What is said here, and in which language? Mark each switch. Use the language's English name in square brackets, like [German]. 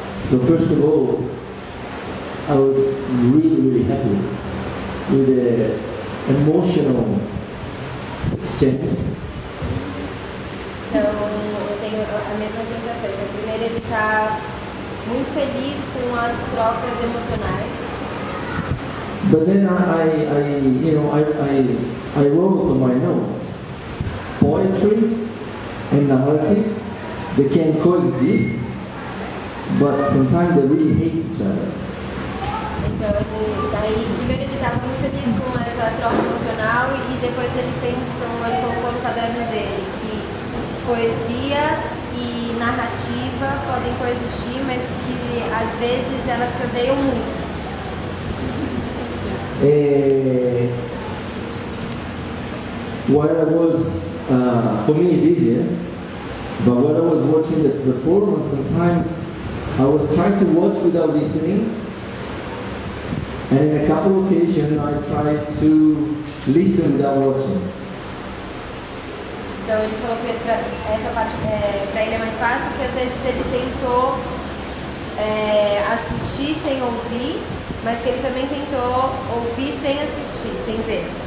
[English] So first of all, I was really, really happy with the emotional exchange. [Portuguese] Então, eu tenho a mesma sensação. Primeiro, ele está muito feliz com as trocas emocionais. [English] But then I wrote on my notes, poetry and narrative, they can coexist, but sometimes they really hate each other. [Portuguese] Então, daí primeiro ele está muito feliz com essa troca emocional e depois ele pensou no caderno dele, que poesia e narrativa podem coexistir, mas que às vezes elas se odeiam muito. [English] What I was, for me it's easier, but when I was watching the performance, sometimes I was trying to watch without listening, and in a couple of occasions I tried to listen without watching. [Portuguese] Então ele falou que essa parte para ele é mais fácil, porque às vezes ele tentou assistir sem ouvir. Mas que ele também tentou ouvir sem assistir, sem ver.